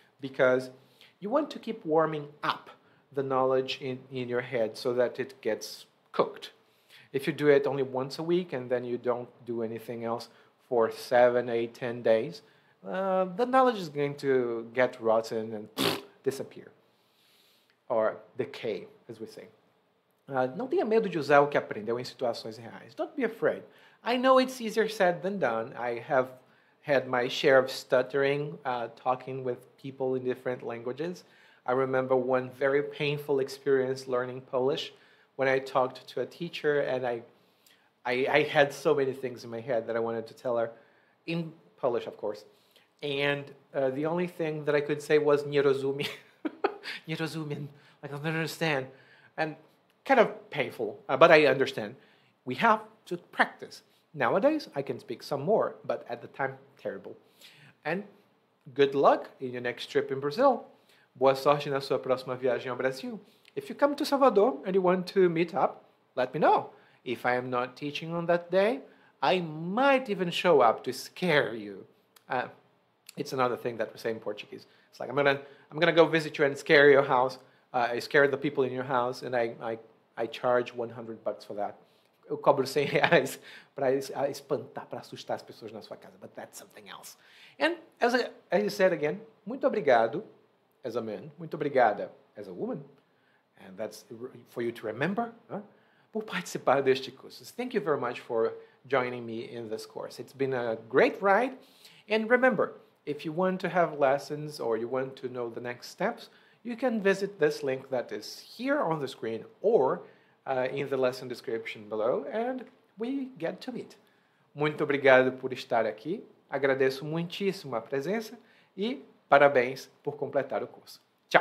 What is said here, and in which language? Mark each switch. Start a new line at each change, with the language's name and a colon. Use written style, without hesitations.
English: Because you want to keep warming up the knowledge in your head so that it gets cooked. If you do it only once a week and then you don't do anything else for 7, 8, 10 days, the knowledge is going to get rotten and disappear. Or decay, as we say.
Portuguese: Não tenha medo de usar o que aprendeu em situações reais.
English: Don't be afraid. I know it's easier said than done. I have had my share of stuttering, talking with people in different languages. I remember one very painful experience learning Polish when I talked to a teacher and I had so many things in my head that I wanted to tell her, in Polish, of course. And the only thing that I could say was
Polish: nierozumie. Nierozumien.
English: I don't understand. And kind of painful, but I understand. We have to practice. Nowadays, I can speak some more, but at the time, terrible. And good luck in your next trip in Brazil.
Portuguese: Boa sorte na sua próxima viagem ao Brasil.
English: If you come to Salvador and you want to meet up, let me know. If I am not teaching on that day, I might even show up to scare you. It's another thing that we say in Portuguese. It's like, I'm gonna go visit you and scare your house. I scare the people in your house and I charge 100 bucks for that.
Portuguese: Eu cobro 100 reais para espantar, para assustar as pessoas na sua casa.
English: But that's something else. And as I said again,
Portuguese: muito obrigado
English: as a man,
Portuguese: muito obrigada
English: as a woman. And that's for you to remember.
Portuguese: Por participar deste curso.
English: Thank you very much for joining me in this course. It's been a great ride. And remember, if you want to have lessons or you want to know the next steps, you can visit this link that is here on the screen or in the lesson description below, and we get to meet.
Portuguese: Muito obrigado por estar aqui. Agradeço muitíssimo a presença e parabéns por completar o curso. Tchau!